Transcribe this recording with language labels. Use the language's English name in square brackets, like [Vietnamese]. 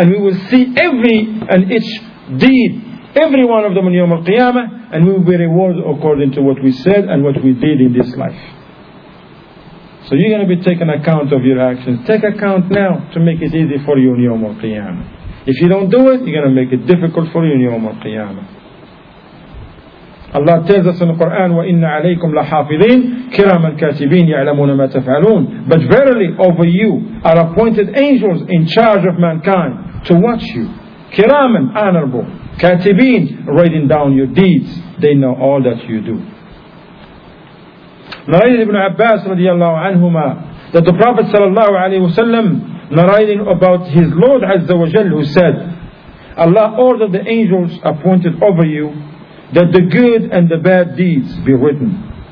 [English] And we will see every and each deed, every one of them on Yawm al-Qiyamah, and we will be rewarded according to what we said and what we did in this life. So you're going to be taking account of your actions. Take account now to make it easy for you on Yawm al-Qiyamah. If you don't do it, you're going to make it difficult for you on Yawm al-Qiyamah. Allah tells us in the Quran, [Arabic] وَإِنَّ عَلَيْكُمْ لَحَافِظِينَ كِرَامًا كَاتِبِينَ يَعْلَمُونَ مَا تَفْعَلُونَ. [English] But verily, over you are appointed angels in charge of mankind to watch you. Kiraman, honorable. Katibin, writing down your deeds. They know all that you do. Narrated Ibn Abbas radiallahu anhuma, that the Prophet sallallahu alayhi wa sallam narrating about his Lord Azza wa Jal, who said, Allah ordered the angels appointed over you that the good and the bad deeds be written.